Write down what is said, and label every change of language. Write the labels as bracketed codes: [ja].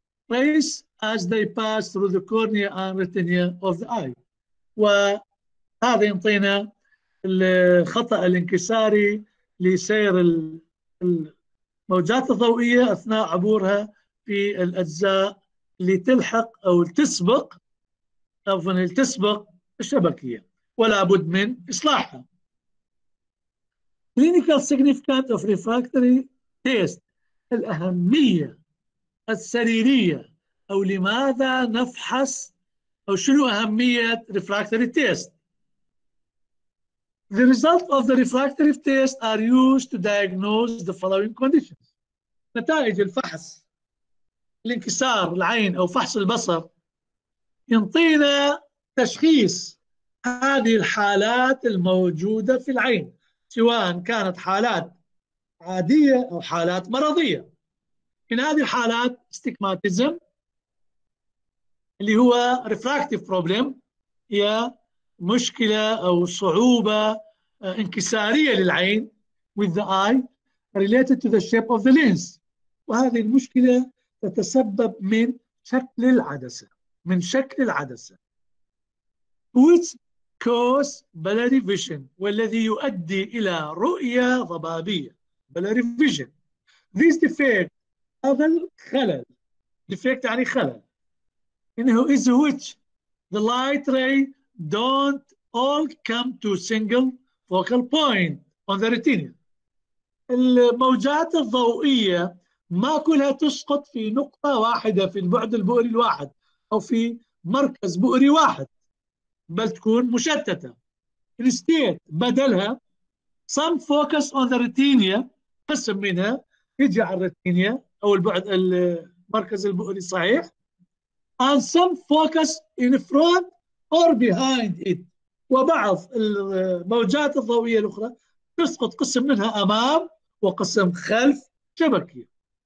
[en] Rays as they pass through the cornea and retina of the eye، [ar] وهذا يعطينا الخطأ الانكساري لسير الموجات الضوئية أثناء عبورها في الأجزاء اللي تلحق أو تسبق، عفوا تسبق الشبكية، ولا بد من إصلاحها. [en] Clinical significance of refractory test، [ar] الأهمية السريرية أو لماذا نفحص أو شنو أهمية [en] refractory test. The result of the refractory test are used to diagnose the following conditions. [ar] نتائج الفحص الانكسار العين أو فحص البصر ينطينا تشخيص هذه الحالات الموجودة في العين، سواء كانت حالات عادية أو حالات مرضية. من هذه الحالات استيغماتيزم اللي هو [en] refractive problem، [ar] هي مشكلة أو صعوبة انكسارية للعين [en] with the eye related to the shape of the lens، [ar] وهذه المشكلة تتسبب من شكل العدسة، من شكل العدسة. [en] Which cause blurry vision، [ar] والذي يؤدي إلى رؤية ضبابية. [en] Blurry vision. This defect، [ar] هذا الخلل. [en] Defect [ar] يعني خلل. إنه [en] is which the light ray don't all come to single focal point on the retina. [ar] الموجات الضوئية ما كلها تسقط في نقطة واحدة في البعد البؤري الواحد أو في مركز بؤري واحد، بل تكون مشتتة. [en] Instead [ar] بدلها [en] some focus on the retina، [ar] قسم منها يجي على الرتينيا أو البعد المركز البؤري صحيح، [en] and some focus in front or behind it، [ar] وبعض الموجات الضوئية الأخرى تسقط قسم منها أمام وقسم خلف شبكية.